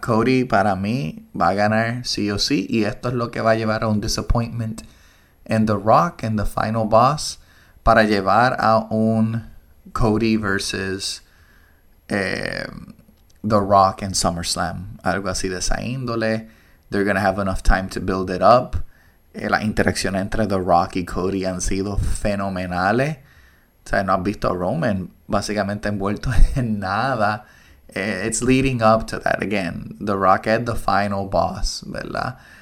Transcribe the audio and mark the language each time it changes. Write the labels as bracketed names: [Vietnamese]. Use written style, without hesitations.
[Spanish] Cody para mí va a ganar sí o sí. Y esto es lo que va a llevar a un disappointment en The Rock, en The Final Boss, para llevar a un Cody versus The Rock en SummerSlam. Algo así de esa índole. [English] They're going to have enough time to build it up. [Spanish] La interacción entre The Rock y Cody han sido fenomenales. O sea, no has visto a Roman básicamente envuelto en nada. [English] It's leading up to that again. [Spanish] The Rock at the final boss, ¿verdad?